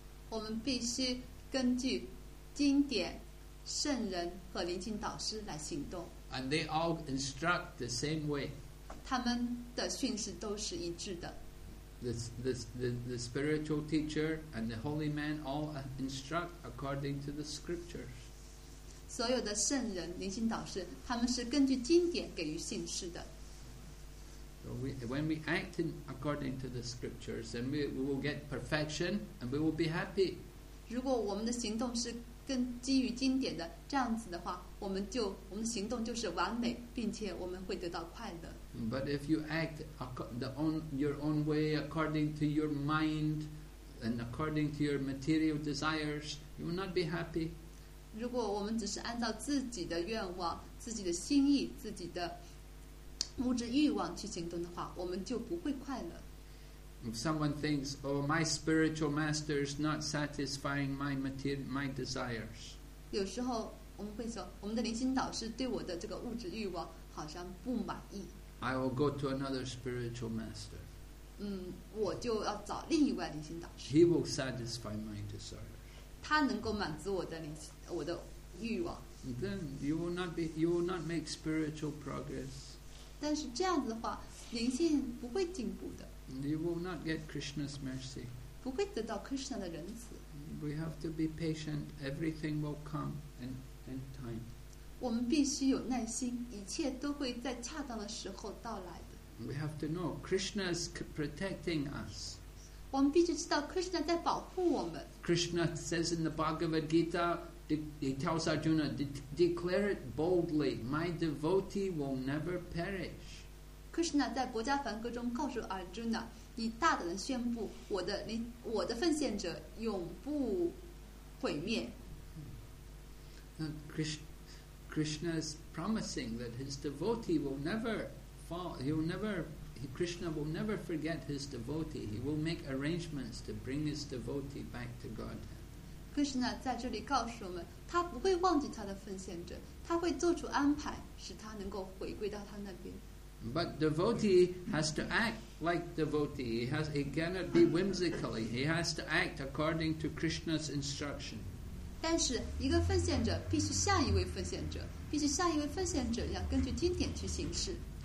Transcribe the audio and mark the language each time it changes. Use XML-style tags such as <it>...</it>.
<zh>我们必须根据经典、圣人和灵性导师来行动。</zh> <en>And they all instruct the same way.</en> <zh>他们的训示都是一致的。</zh> <en>The spiritual teacher and the holy man all instruct according to the scriptures.</en> <zh>所有的圣人、灵性导师，他们是根据经典给予信示的。</zh> <en>So when we act in according to the scriptures, then we will get perfection and we will be happy.</en> <zh>如果我们的行动是根基于经典的这样子的话，我们的行动就是完美，并且我们会得到快乐。</zh> <en>But if you act your own way according to your mind and according to your material desires, you will not be happy.</en> <zh>如果我们只是按照自己的愿望、自己的心意、自己的物质欲望去行动的话，我们就不会快乐。</zh> <en>If someone thinks, "Oh, my spiritual master is not satisfying my desires,"</en> <zh>有时候我们会说，我们的灵性导师对我的这个物质欲望好像不满意。</zh> <en>I will go to another spiritual master.</en> <zh>我就要找另一位灵性导师。</zh> <en>He will satisfy my desires.</en> <zh>他能够满足我的欲望。</zh> <en>Then you will not make spiritual progress.</en> <zh>但是这样子的话，灵性不会进步的。</zh> <en>You will not get Krishna's mercy.</en> <zh>不会得到 Krishna 的仁慈。</zh> <en>We have to be patient. Everything will come in time.</en> <zh>我们必须有耐心，一切都会在恰当的时候到来的。</zh> <en>We have to know Krishna is protecting us.</en> <zh>我们必须知道 Krishna 在保护我们。</zh> <en>Krishna says in the Bhagavad Gita, he tells Arjuna, declare it boldly, my devotee will never perish.</en> <zh>Krishna 在《薄伽梵歌》中告诉 Arjuna， 你大胆地宣布我的奉献者永不毁灭。</zh> <en>那 Krishna is promising that his devotee will never fall. Krishna will never forget his devotee. He will make arrangements to bring his devotee back to Godhead.</en> <zh>Krishna 在这里告诉我们，他不会忘记他的奉献者，他会做出安排，使他能够回归到他那边。</zh> <en>But devotee has to act like devotee. He cannot be whimsically. He has to act according to Krishna's instruction.</en> <zh>但是一个奉献者必须像一位奉献者，必须像一位奉献者要根据经典去行事。</zh>